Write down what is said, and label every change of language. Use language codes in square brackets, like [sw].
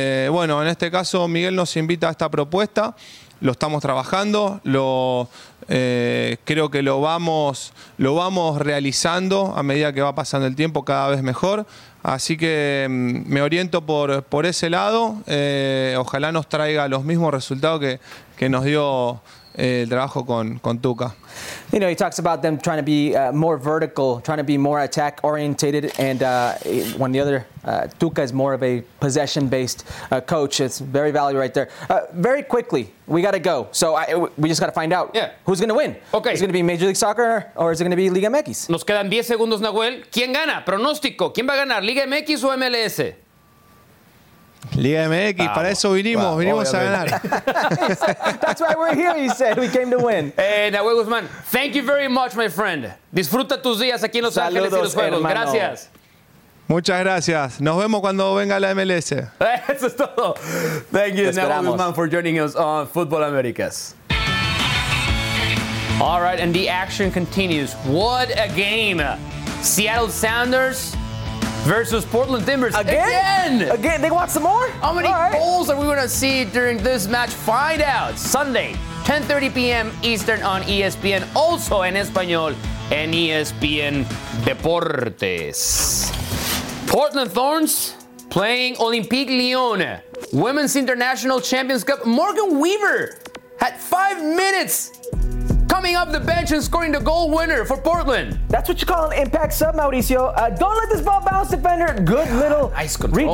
[es] Bueno, en este caso Miguel nos invita a esta propuesta, lo estamos trabajando, creo que lo vamos realizando a medida que va pasando el tiempo, cada vez mejor. Así que me oriento por ese lado. Ojalá nos traiga los mismos resultados que nos dio el trabajo con Tuca. [en] You know, he talks about them trying to be more vertical, trying to be more attack oriented, and when the other Tuca is more of a possession based coach. It's very valuable right there. Very quickly, we got to go. So we just got to find out, yeah, who's going to win. Okay. Is it going to be Major League Soccer or is it going to be Liga MX? [es] Nos quedan 10 segundos, Nahuel. ¿Quién gana? Pronóstico. ¿Quién va a ganar? ¿Liga MX o MLS? Liga MX, wow. Para eso vinimos, wow. Vinimos a ganar. [en] That's why we're here, he said. We came to win. Nahuel Guzmán, thank you very much, my friend. [es] Disfruta tus días aquí en Los Saludos, Ángeles y los Juegos. Hermano. Gracias. Muchas gracias. Nos vemos cuando venga la MLS. Eso es todo. [en] Thank you, Nahuel Guzmán, for joining us on Football Americas. All right, and the action continues. What a game. Seattle Sounders versus Portland Timbers. Again? They want some more? How many goals are we going to see during this match? Find out Sunday, 10:30 p.m. Eastern on ESPN. Also [es] en Español, en ESPN Deportes. [en] Portland Thorns playing Olympique Lyon. Women's International Champions Cup. Morgan Weaver had 5 minutes coming up the bench and scoring the goal winner for Portland. That's what you call an impact sub, Mauricio. Don't let this ball bounce, defender. Good little nice control.